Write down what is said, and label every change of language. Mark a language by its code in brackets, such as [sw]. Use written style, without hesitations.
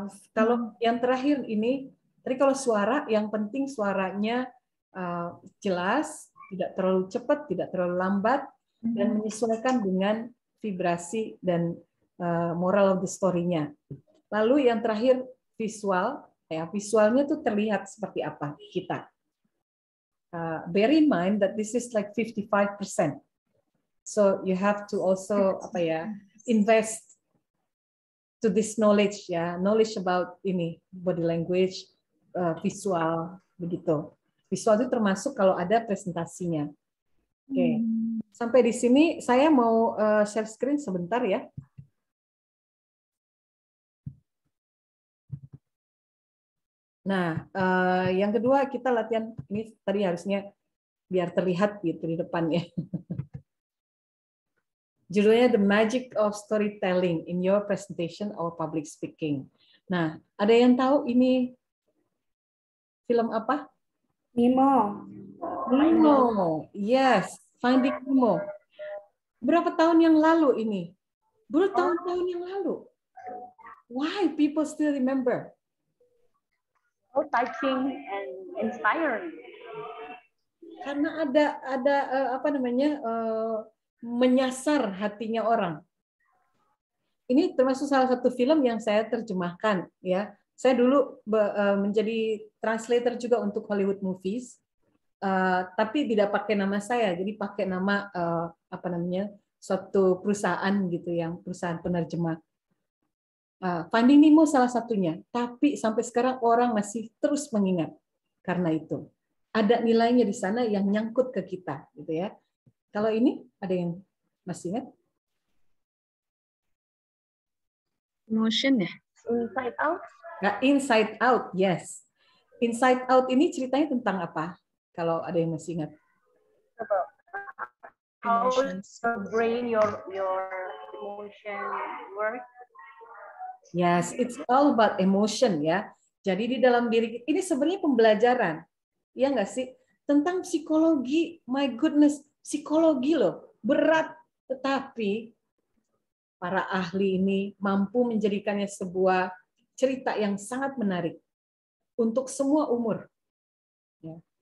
[id] Kalau yang terakhir ini, tadi kalau suara, yang penting suaranya jelas, tidak terlalu cepat, tidak terlalu lambat, dan menyesuaikan dengan vibrasi dan [en] moral of the story- [id] nya. Lalu yang terakhir, visual. Ya, visualnya tuh terlihat seperti apa kita. [en] Bear in mind that this is like 55%. So you have to also [id] apa ya, [en] invest to this knowledge ya, knowledge about ini body language, visual begitu. [id] Visual itu termasuk kalau ada presentasinya. Oke. Okay. Sampai di sini saya mau share screen sebentar ya. Nah, yang kedua kita latihan ini tadi harusnya biar terlihat gitu di depannya. Judulnya The Magic of Storytelling in Your Presentation or Public Speaking. Nah, ada yang tahu ini film apa? Nemo. [en] Nemo. Yes, Finding Nemo. [id] Berapa tahun yang lalu ini? Bertahun-tahun yang lalu. [en] Why people still remember? Oh, touching and inspiring. [id] Karena ada apa namanya, menyasar hatinya orang. Ini termasuk salah satu film yang saya terjemahkan, ya. Saya dulu menjadi translator juga untuk Hollywood movies, tapi tidak pakai nama saya, jadi pakai nama apa namanya, suatu perusahaan gitu, yang perusahaan penerjemah. Finding Nemo salah satunya, tapi sampai sekarang orang masih terus mengingat karena itu. Ada nilainya di sana yang nyangkut ke kita, gitu ya. Kalau ini ada yang masih ingat? [en] Emotion ya? Inside Out? Nah, Inside Out, yes. [id] Inside Out ini ceritanya tentang apa? Kalau ada yang masih ingat? [en] How the brain, your emotion work? Yes, it's all about emotion ya. [id] Jadi di dalam diri ini sebenarnya pembelajaran, ya nggak sih, tentang psikologi. [en] My goodness, [id] psikologi loh, berat. Tetapi para ahli ini mampu menjadikannya sebuah cerita yang sangat menarik untuk semua umur. Ya.